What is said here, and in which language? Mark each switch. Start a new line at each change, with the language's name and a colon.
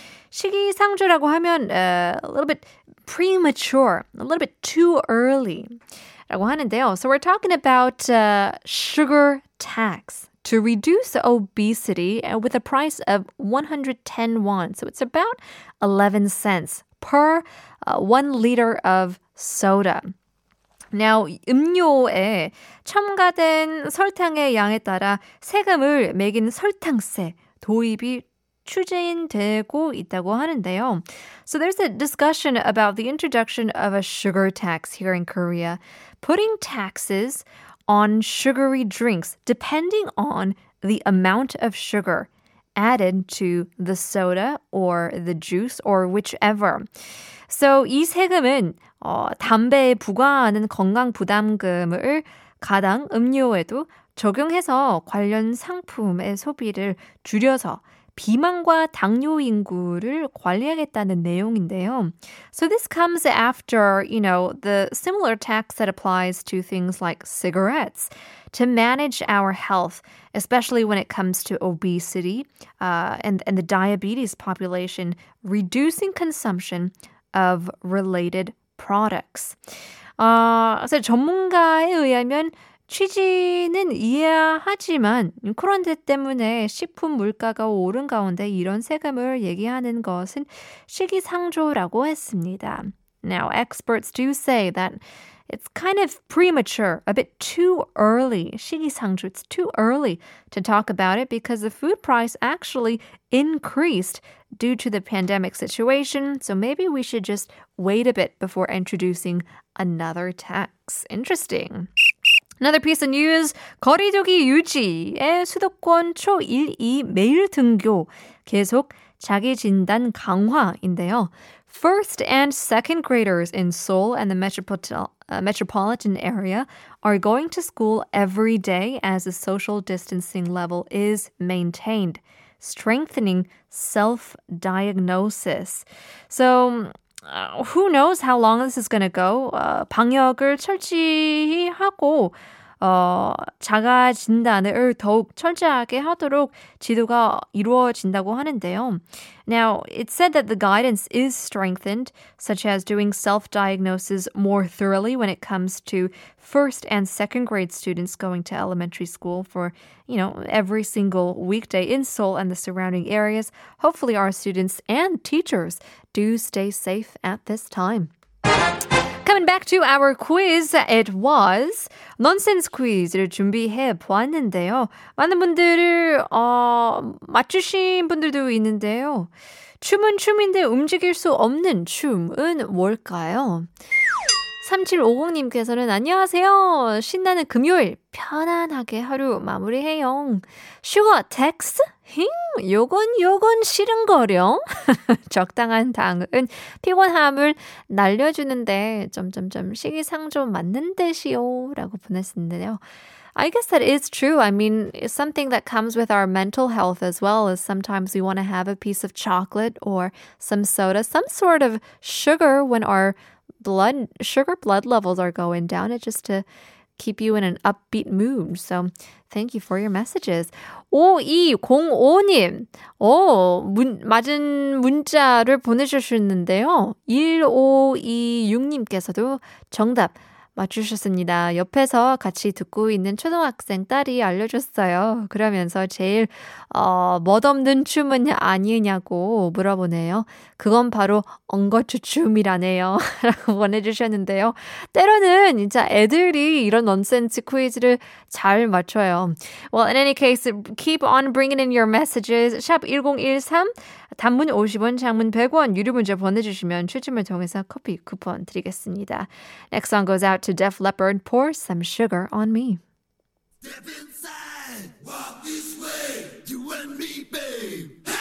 Korean: 식이상조라고 하면
English: a little bit premature, a little bit too early
Korean: 라고 하는데요.
English: So we're talking about sugar tax to reduce obesity with a price of 110 won. So it's about 11 cents per 1 liter of soda. Now,
Korean: 음료에 첨가된 설탕의 양에 따라 세금을 매긴 설탕세 도입이 추진되고 있다고 하는데요.
English: So there's a discussion about the introduction of a sugar tax here in Korea, putting taxes on sugary drinks depending on the amount of sugar added to the soda or the juice or whichever.
Korean: So 이 세금은 담배에 부과하는 건강 부담금을 가당 음료에도 적용해서 관련 상품의 소비를 줄여서 비만과 당뇨 인구를 관리하겠다는 내용인데요.
English: So this comes after, you know, the similar tax that applies to things like cigarettes to manage our health, especially when it comes to obesity and the diabetes population, reducing consumption of related products.
Korean: 그래서 전문가에 의하면 취지는 이해하지만 코로나 때문에 식품 물가가 오른 가운데 이런 세금을 얘기하는 것은 시기상조라고 했습니다.
English: Now, experts do say that it's kind of premature, a bit too early,
Korean: 시기상조,
English: it's too early to talk about it because the food price actually increased due to the pandemic situation. So maybe we should just wait a bit before introducing another tax. Interesting. Another piece of news,
Korean: 거리두기 유지에 수도권 초 1, 2 매일 등교 계속 자기 진단 강화인데요.
English: First and second graders in Seoul and the metropolitan area are going to school every day as the social distancing level is maintained, strengthening self-diagnosis. So, who knows how long this is going to go?
Korean: 방역을 철저히 하고 자가 진단을 더욱 철저하게 하도록 지도가 이루어진다고 하는데요.
English: Now, it's said that the guidance is strengthened, such as doing self-diagnosis more thoroughly when it comes to first and second grade students going to elementary school for, you know, every single weekday in Seoul and the surrounding areas. Hopefully, our students and teachers do stay safe at this time. Coming back to our quiz, it was nonsense quiz를
Korean: 준비해 보았는데요. 많은 분들을 맞추신 분들도 있는데요. 춤은 춤인데 움직일 수 없는 춤은 뭘까요? 3750님께서는 안녕하세요. 신나는 금요일 편안하게 하루 마무리해요. 슈거 텍스? 힝? 요건 싫은 거령? 적당한 당은 피곤함을 날려주는데 점점점 식이상조 맞는 듯이요 라고 보냈는데요.
English: I guess that is true. I mean, it's something that comes with our mental health as well, is sometimes we want to have a piece of chocolate or some soda, some sort of sugar when our blood levels are going down. It's just to keep you in an upbeat mood. So thank you for your messages.
Korean: 5205님 맞은 문자를 보내주셨는데요. 1526님께서도 정답 맞추셨습니다. 옆에서 같이 듣고 있는 초등학생 딸이 알려줬어요. 그러면서 제일 멋없는 춤은 아니냐고 물어보네요. 그건 바로 엉거추 춤이라네요. 라고 보내주셨는데요. 때로는 진짜 애들이 이런 넌센스 퀴즈를 잘 맞춰요.
English: Well, in any case, keep on bringing in your messages.
Korean: 샵 1013, 단문 50원, 장문 100원, 유료 문자 보내주시면 추첨을 통해서 커피 쿠폰 드리겠습니다.
English: Next song goes out to Def Leppard, pour some sugar on me. Step inside, walk this way, you and me, babe.